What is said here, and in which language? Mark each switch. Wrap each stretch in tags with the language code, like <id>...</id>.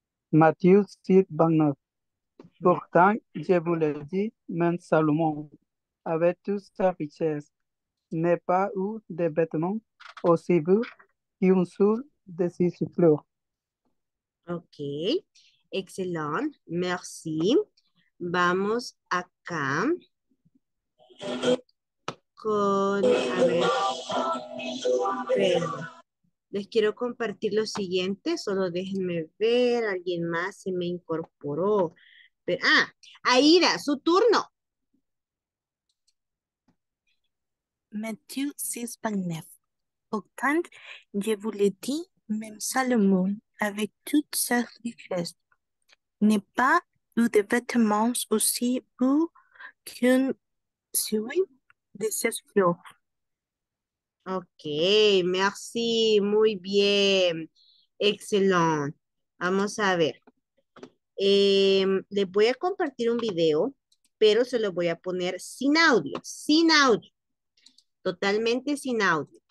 <fr>Matthieu 6:29. Pourtant, je vous l'ai dit, même Salomon, avec toute sa richesse, n'a pas eu de vêtements aussi beaux qu'une seule de ses fleurs.</fr> <es>Okay, excelente, merci. Vamos acá con, a ver, les quiero compartir lo siguiente, solo déjenme ver, alguien más se me incorporó. Pero, Aida, su turno.</es> <fr>Matthieu 6:29. Pourtant, je vous l'ai dit, même Salomon, avec toute sa richesse, n'est pas eu de vêtements aussi beaux qu'une suite de ses fleurs.</fr> <es>Ok, merci, muy bien, excelente. Vamos a ver. Les voy a compartir un video, pero se lo voy a poner sin audio, sin audio, totalmente sin audio.</es>